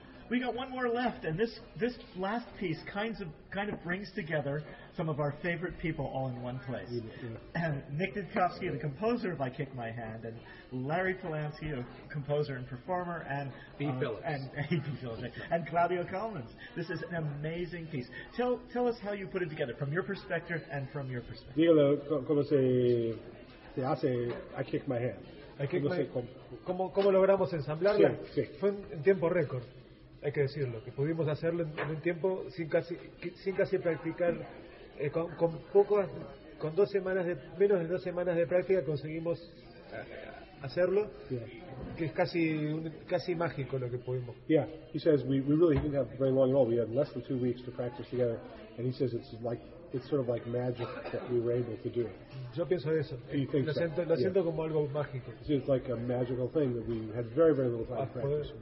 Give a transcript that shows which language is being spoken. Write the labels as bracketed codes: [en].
[en] We got one more left, and this last piece kind of brings together some of our favorite people all in one place. Nick Ditkovsky, the composer of I Kick My Hand, and Larry Polansky, a composer and performer, and B. Phillips, and Claudio Collins. This is an amazing piece. Tell us how you put it together from your perspective and from your perspective. [es] Dígalo, ¿cómo se hace I Kick My Hand? ¿Cómo logramos ensamblarla? Fue en tiempo récord. Hay que decirlo, que pudimos hacerlo en un tiempo sin casi practicar, con menos de dos semanas de práctica conseguimos hacerlo, que es casi mágico lo que pudimos. [en] Yeah, he says we really didn't have very long at all. We had less than 2 weeks to practice together, and he says it's sort of like magic that we were able to do it. [es] Yo pienso eso. Lo siento como algo mágico. [en] It's like a magical thing that we had very, very little time to practice.